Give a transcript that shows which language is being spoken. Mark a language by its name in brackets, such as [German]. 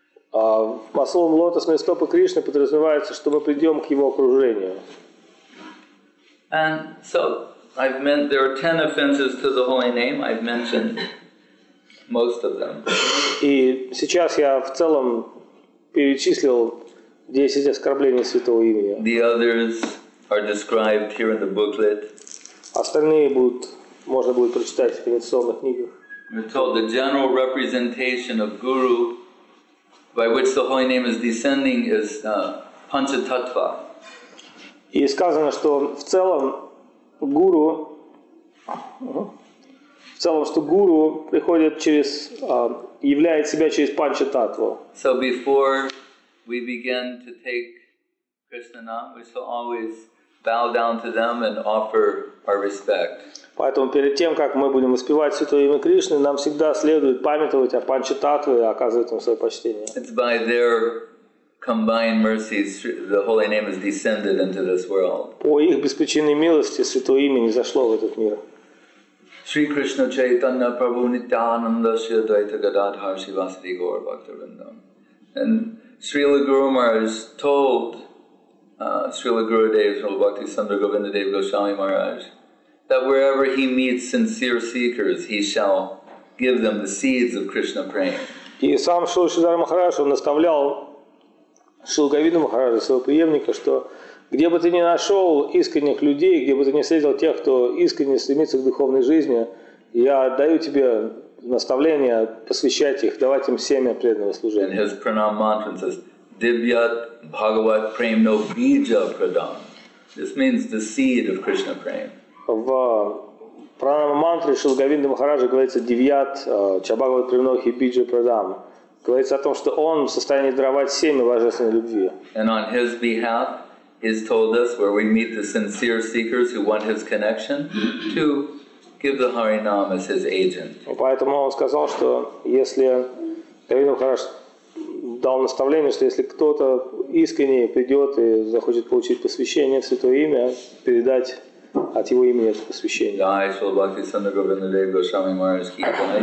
[Russian] По словам лотосные стопы Кришны подразумевается, что мы придем к его окружению. [English] And so I've meant there are 10 offenses to the holy name. I've mentioned most of them. [Russian] И сейчас я в целом перечислил 10 оскорблений святого имени. [English] The others are described here in the booklet. [Russian] Остальные будут можно будет прочитать в конституционных книгах. [English] We're told the general representation of guru by which the holy name is descending is panchatattva. [Russian] И сказано, что в целом гуру приходит через являет себя через панчататву. [English] So before we begin to take Krishna nam, we shall always bow down to them and offer our respect. [Russian] Поэтому перед тем, как мы будем воспевать святое имя Кришны, нам всегда следует памятовать о панчататве и оказывать им свое почтение. [English] It's by their combined mercies the holy name has descended into this world. [Russian] По их беспричинной милости святое имя не зашло в этот мир. [Sanskrit] Shri Krishna Chaitanya Prabhu Nityananda Shri Advaita Gadadhar Shri Vasudhi Gaur Bhaktivrindam. [English] And Srila Guru Maharaj told Srila Gurudev Srila Bhakti Sandra Govinda Dev Goswami Maharaj that wherever he meets sincere seekers, he shall give them the seeds of Krishna praying. [Russian] И сам Шрила Шридхара Махарадж наставлял Шрилу Говинду Махараджа, своего преемника, что где бы ты ни нашел искренних людей, где бы ты ни встретил тех, кто искренне стремится к духовной жизни, я даю тебе наставление посвящать их, давать им семя преданного служения. [English] And his pranam mantra says, [Sanskrit] Dibyat Bhagavat Premno Bija Pradam. [English] This means the seed of Krishna Prem. [Russian] В пранам мантре Шрилы Говинды Махараджа говорится [Sanskrit] Дивьят Чабхагават Премно Хи Бидже Прадам. [Russian] Говорится о том, что он в состоянии даровать семя божественной любви. [English] And on his behalf, he's told us where we meet the sincere seekers who want his connection to give the Hari Nam as his agent. [Russian] Поэтому он сказал, что если Говинда Махарадж дал наставление, что если кто-то искренне придет и захочет получить посвящение в святое имя, передать от его имени это посвящение. Да, Шрила Бхакти Сандра Говинда Дева Госвами Махарадж ки джай.